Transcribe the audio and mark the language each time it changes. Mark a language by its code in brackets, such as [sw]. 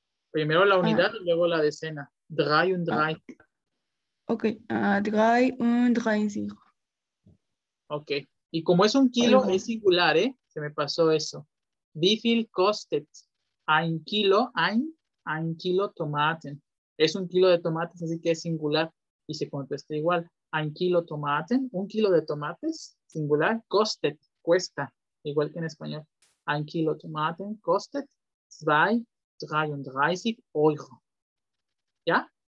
[es] Primero la unidad y luego la decena. 33. Ok. 33. Ok. Y como es un kilo, es singular, ¿eh? Se me pasó eso. [de] Wie viel kostet ein kilo, ein kilo tomaten? [es] Es un kilo de tomates, así que es singular. Y se contesta igual. [de] Ein kilo tomaten. [es] Un kilo de tomates, singular. Kostet, cuesta. Igual que en español. [de] Ein Kilo Tomaten kostet 2,33 Euro. [es] ¿Ya?